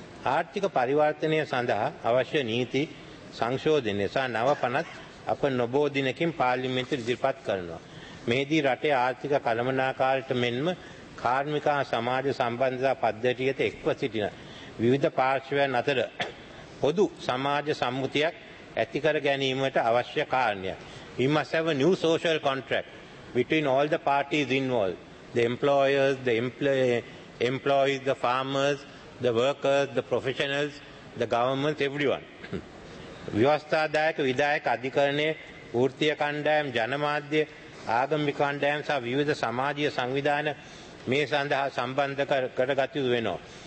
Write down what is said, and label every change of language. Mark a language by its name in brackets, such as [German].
[Sinhala] ආර්ථික පරිවර්තනය සඳහා අවශ්‍ය නීති සංශෝධනය සහ නවපනත් අප නොබෝ දිනකින් පාර්ලිමේන්තුවේ ඉදිරිපත් කරනවා. මේදී රටේ ආර්ථික කළමනාකාරීට මෙන්ම කාර්මික හා සමාජ සම්බන්ධතා පද්ධතියට එක්ව සිටින විවිධ පාර්ශ්වයන් අතර පොදු සමාජ සම්මුතියක් ඇතිකර ගැනීමට අවශ්‍ය කාරණයක්. [English] We must have a new social contract between all the parties involved, the employers, the employees, the farmers, the workers, the professionals, the government, everyone. [Sinhala] ව්‍යවස්ථාදායක විධායක අධිකරණයේ වෘත්තීය කණ්ඩායම්, ජනමාධ්‍ය, ආගමික කණ්ඩායම් සහ විවිධ සමාජීය සංවිධාන මේ සඳහා සම්බන්ධ කරගත යුතු වෙනවා.